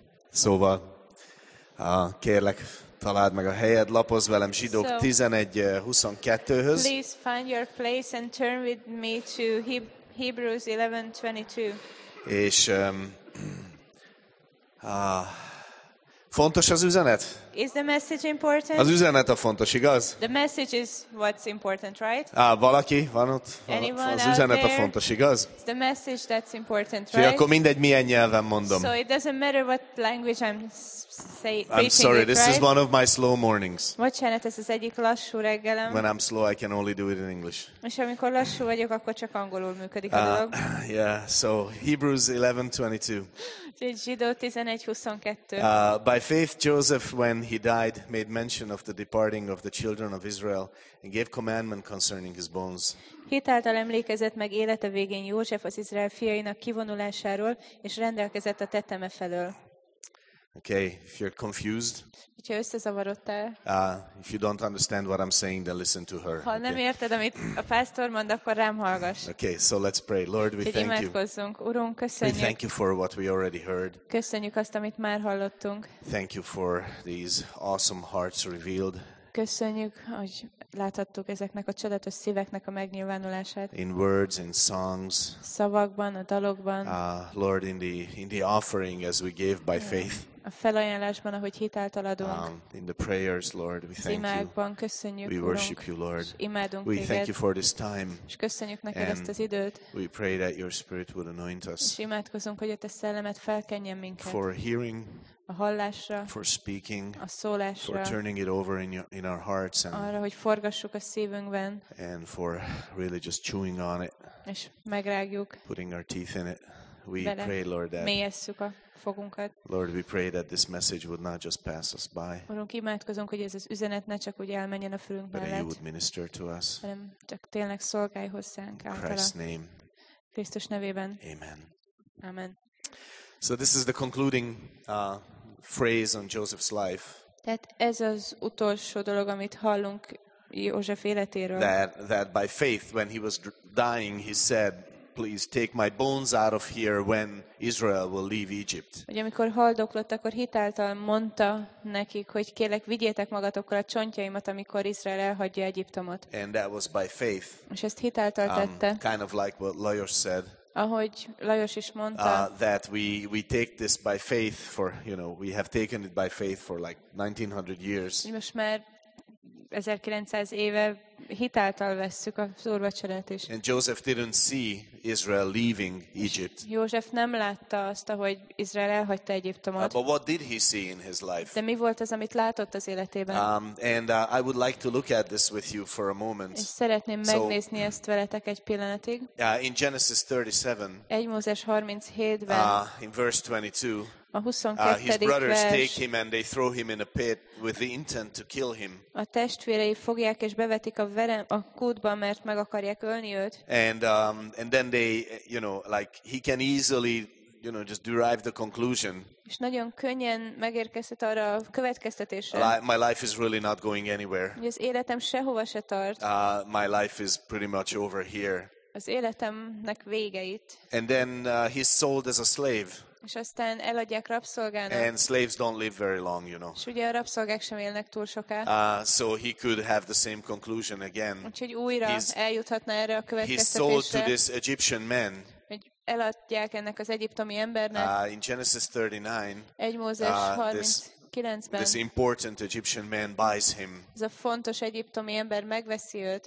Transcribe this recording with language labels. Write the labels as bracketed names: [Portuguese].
[Hungarian] Szóval, kérlek, találd meg a helyed, lapozz velem Zsidók 11:22-höz. [English] Please find your place and turn with me to Hebrews 11:22. [Hungarian] És fontos az üzenet? [English] Is the message important? [Hungarian] Az üzenet a fontos, igaz? [English] The message is what's important, right? [Hungarian] Valaki van ott? [English] Anyone [Hungarian] az üzenet [English] there? [Hungarian] A fontos, igaz? [English] It's the message that's important, right? [Hungarian] Akkor mindegy, milyen nyelven mondom. [English] So it doesn't matter what language I'm saying. I'm sorry, it, this right? is one of my slow mornings. [Hungarian] Bocsánat, ez az egyik lassú reggelem. [English] When I'm slow, I can only do it in English. [Hungarian] És amikor lassú vagyok, akkor csak angolul működik a dolog. [English] Yeah, so Hebrews 11:22. [Hungarian] Zsidó 11:22. [English] By faith Joseph when he died made mention of the departing of the children of Israel and gave commandment concerning his bones. [Hungarian] Hitáltal emlékezett meg élete végén József az Izrael fiainak kivonulásáról és rendelkezett a teteme felől. [English] Okay, if you're confused. [Hungarian] Hogyha összezavarodtál. [English] If you don't understand what I'm saying, then listen to her. [Hungarian] Ha nem érted, amit a pásztor mond, akkor rám hallgass. [English] Okay, so let's pray. Lord, we thank you. [Hungarian] Urunk, köszönjük. [English] We thank you for what we already heard. [Hungarian] Köszönjük azt, amit már hallottunk. [English] Thank you for these awesome hearts revealed. [Hungarian] Köszönjük, hogy láthattuk ezeknek a csodatos szíveknek a megnyilvánulását. [English] In words, in songs. [Hungarian] Szavakban, a dalokban. [English] Lord, in the offering as we gave by faith. [Hungarian] A felajánlásban, ahogy hitáltal adunk. [English] In the prayers, Lord, we thank you. [Hungarian] Imádban köszönjük, [English] we worship you, Lord. [Hungarian] Imádunk téged. [English] We thank you for this time. [Hungarian] És köszönjük neked ezt az időt. [English] We pray that your spirit would anoint us. [Hungarian] És imádkozunk, hogy a te szellemed felkenjen minket. [English] For hearing. [Hungarian] A hallásra. [English] For speaking. [Hungarian] A szólásra. [English] For turning it over in our hearts. And, [Hungarian] arra, hogy forgassuk a szívünkben. [English] And for really just chewing on it. [Hungarian] És megrágjuk. [English] Putting our teeth in it. We pray, Lord, that [Hungarian] mélyesszük a fogunkat. [English] Lord, we pray that this message would not just pass us by. [Hungarian] Urunk, imádkozunk, hogy ez az üzenet ne csak úgy elmenjen a fülünk mellett. [English] But you would minister to us. [Hungarian] Hanem csak tényleg szolgálj hozzánk általa. [English] Christ's name. [Hungarian] Krisztus nevében. [English] Amen. [Hungarian] Amen. [English] So this is the concluding phrase on Joseph's life. [Hungarian] Tehát ez az utolsó dolog, amit hallunk József életéről. [English] That by faith, when he was dying, he said, please take my bones out of here when Israel will leave Egypt. [Hungarian] Ugye amikor haldoklott, akkor hitáltal mondta nekik, hogy kérlek, vigyétek magatokkal a csontjaimat, amikor Izrael elhagyja Egyiptomot. [English] And that was by faith. [Hungarian] És ezt hitáltal tette. [English] Kind of like what Lajos said. [Hungarian] Ahogy Lajos is mondta, [English] that we take this by faith for, you know, we have taken it by faith for like 1900 years. [Hungarian] Most már 1900 éve hitáltal vesszük az úrvacsorát is. [English] And Joseph didn't see Israel leaving Egypt. [Hungarian] József nem látta azt, hogy Izrael elhagyta Egyiptomot. [English] But what did he see in his life? [Hungarian] De mi volt az, amit látott az életében? [English] I would like to look at this with you for a moment. [Hungarian] És szeretném megnézni ezt veletek egy pillanatig. [English] In Genesis 37. [Hungarian] 1 Mózes 37-ben. [English] In verse 22. [Hungarian] A 22. [English] His brothers take him and they throw him in a pit with the intent to kill him. [Hungarian] A testvérei fogják és bevetik a verem a kútba, mert meg akarják ölni őt. [English] And then they, you know, like he can easily, you know, just derive the conclusion. [Hungarian] És nagyon könnyen megérkezett arra a következtetésre. [English] My life is really not going anywhere. [Hungarian] Az életem sehova se tart. [English] My life is pretty much over here. [Hungarian] Az életemnek vége itt. [English] And then he's sold as a slave. [Hungarian] És aztán eladják rabszolgának. [English] And slaves don't live very long, you know. [Hungarian] És ugye a rabszolgák sem élnek túl soká. [English] So he could have the same conclusion again. [Hungarian] Úgyhogy újra eljuthatna erre a következtetésre. [English] He's sold to this Egyptian man. [Hungarian] Eladják ennek az egyiptomi embernek. [English] In Genesis 39. [Hungarian] 1 Mózes 39-ben. [English] This important Egyptian man buys him. [Hungarian] Ez a fontos egyiptomi ember megveszi őt.